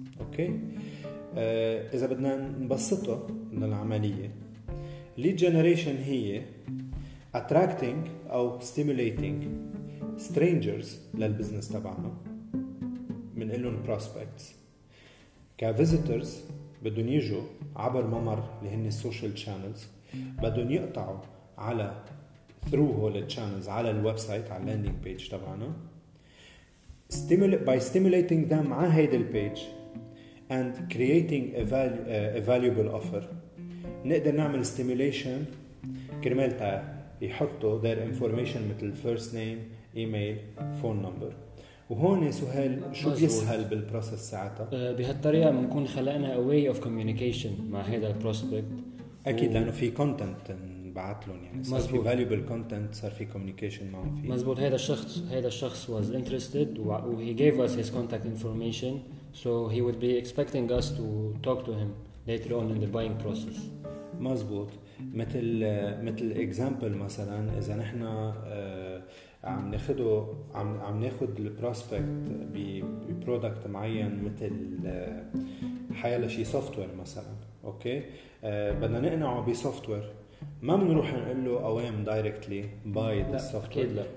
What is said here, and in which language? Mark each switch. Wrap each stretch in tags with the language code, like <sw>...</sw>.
<ar>اوكي، اذا بدنا نبسطه للعمليه، الليد جنريشن هي اتراكتينج او ستيمولييتينج سترينجرز للبزنس تبعنا، بنقول لهم بروسبكتس كفيزيتورز بدون يجوا عبر ممر اللي هن السوشيال شانلز، بدون يقطعوا على through هول الشانلز على الويب سايت على اللاندينج بيج تبعنا،</ar> <en>by stimulating them on</en> <ar>هيدي البيج</ar> <en>and creating a valuable offer.</en> <ar>نقدر نعمل</ar> <en>stimulation</en> <ar>كرمال تاع يحطوا</ar> <en>their information مثل first name, email, phone number.</en> <ar>وهون سهيل شو بيسهل بالبروسس ساعتها؟ بهالطريقة بنكون خلقنا</ar> <en>a way of communication</en> <ar>مع هذا البروسبكت. أكيد لأنه في content نبعث لهم يعني. مزبوط. صار في</ar> <en>valuable content,</en> <ar>صار في communication معهم فيه. مزبوط. هذا الشخص</ar> <en>was interested و he gave us his contact information, so he would be expecting us to talk to him later on in the buying process.</en> <ar>مزبوط. مثل example مثلا إذا نحنا عم ناخد البروسبكت ببرودكت معين مثل حيالة شي سوفتوير مثلا أوكي بدنا نقنعه بسوفتوير ما منروح نقول له أوام</ar> <en>directly by the software</en>